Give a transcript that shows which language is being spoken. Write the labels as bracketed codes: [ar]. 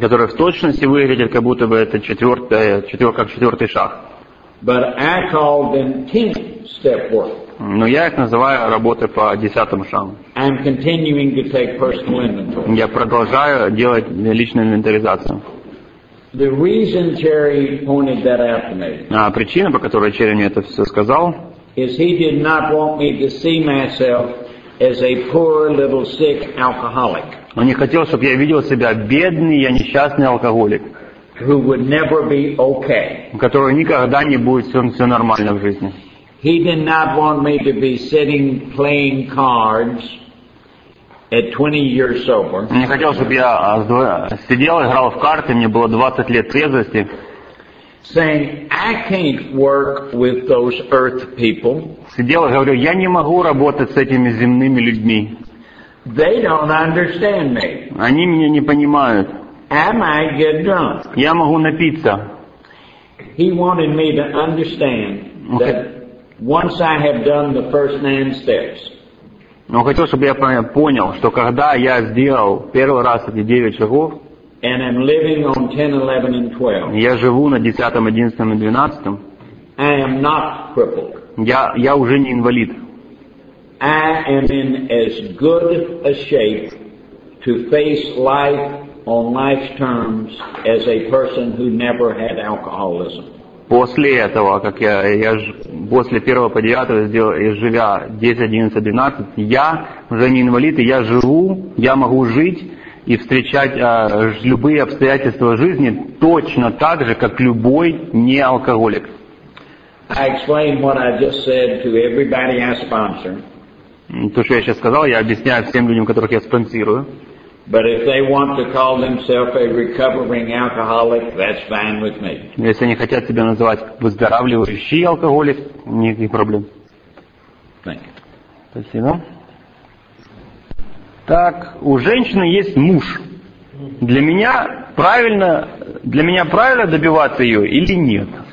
[ru] Которые в точности выглядят, как будто бы это четвертый шаг. [en] But I call them 10th step work. [ru] Но я их называю работой по десятым шагам. [en] I'm continuing to take personal inventory. [ru] Я продолжаю делать личную инвентаризацию. [en] The reason Cherry pointed that out to me. [ru] А причина, по которой Черри мне это все сказал, [en] is he did not want me to see myself as a poor little sick alcoholic. [ru] Он не хотел, чтобы я видел себя бедный, я несчастный алкоголик, [en] who would never be okay. [ru] Который никогда не будет все нормально в жизни. [en] He did not want me to be sitting playing cards at 20 years sober. [ru] Не хотел, чтобы я сидел, играл в карты, мне было 20 лет трезвости. [en] Saying I can't work with those earth people. [ru] Сидел и говорю, я не могу работать с этими земными людьми. [en] They don't understand me. [ru] Они меня не понимают. [en] I might get drunk. [ru] Я могу напиться. [en] He wanted me to understand that once I have done the first 9 steps. [ru] Но хотел, чтобы я понял, что когда я сделал первый раз эти 9 шагов, [en] and I'm living on 10, 11, and 12. [ru] Я живу на 10, 11 и 12. [en] I am not crippled. [ru] Я уже не инвалид. [en] I am in as good a shape to face life on life's terms as a person who never had alcoholism. [ru] После этого, как я после первого по девятого сделал, и живя 10, 11, 12, я уже не инвалид, и я живу, я могу жить и встречать любые обстоятельства жизни точно так же, как любой неалкоголик. [en] I explained what I just said to everybody I sponsor. [ru] То, что я сейчас сказал, я объясняю всем людям, которых я спонсирую. [en] But if they want to call themselves a recovering alcoholic, that's fine with me. [ru] Если они хотят себя называть выздоравливающий алкоголик, никаких проблем. [en] Thank you. [ru] Спасибо. Так, у женщины есть муж. Для меня правильно добиваться ее или нет?